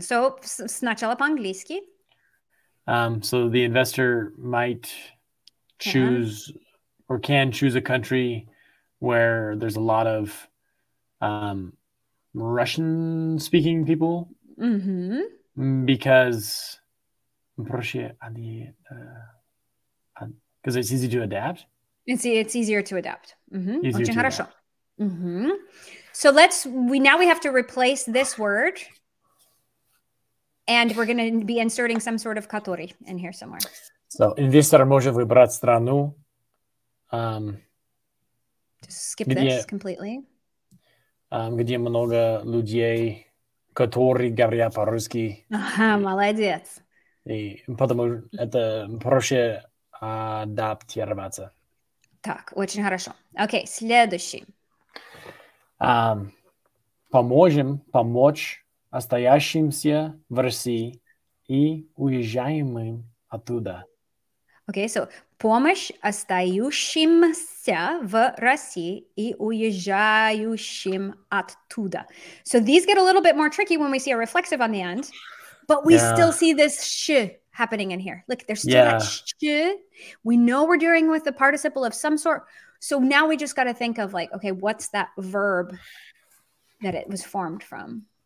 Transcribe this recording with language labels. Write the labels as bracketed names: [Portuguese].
[Russian] So, сначала по-английски. [English] So, the investor might choose... Yeah. Or can choose a country where there's a lot of Russian-speaking people. Mm-hmm. Because it's easy to adapt. It's easier to adapt. Mm-hmm. Easier to adapt. Mm-hmm. So let's, we now we have to replace this word And we're going to be inserting some sort of katori in here somewhere. [Russian] So инвестор может выбрать страну. [English] Just skip где, this completely. [Russian] Где много людей, которые говорят по-русски. Ага, молодец. И потому это проще адаптироваться. Так, очень хорошо. Окей, следующий. Поможем помочь остающимся в России и уезжаемым оттуда. Окей, okay, so помощь остающимся в России и уезжающим оттуда. [English] So these get a little bit more tricky when we see a reflexive on the end, but we still see this sh happening in here. Look, there's still that sh. We know we're dealing with a participle of some sort. So now we just got to think of like, okay, what's that verb that it was formed from?